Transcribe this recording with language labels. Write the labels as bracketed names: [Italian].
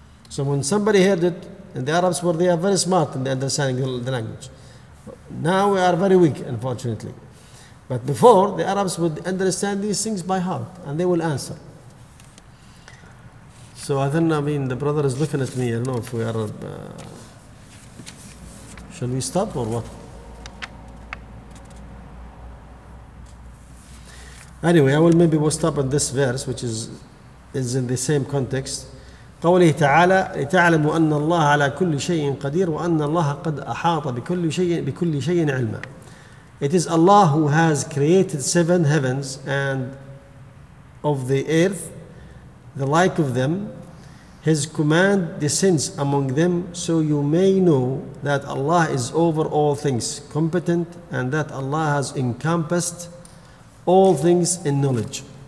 [English] so when somebody heard it and the Arabs were they are very smart in understanding the language now we are very weak unfortunately but before the Arabs would understand these things by heart and they will answer So I mean, the brother is looking at me. I don't know if we are. Shall we stop or what? Anyway, I will maybe we'll stop at this verse, which is in the same context. [Arabic] قوله تعالى لتعلموا أن الله على كل شيء قدير وأن الله قد أحاط بكل شيء علما. [English] It is Allah who has created seven heavens and of the earth, the like of them. His command descends among them so you may know that Allah is over all things competent and that Allah has encompassed all things in knowledge.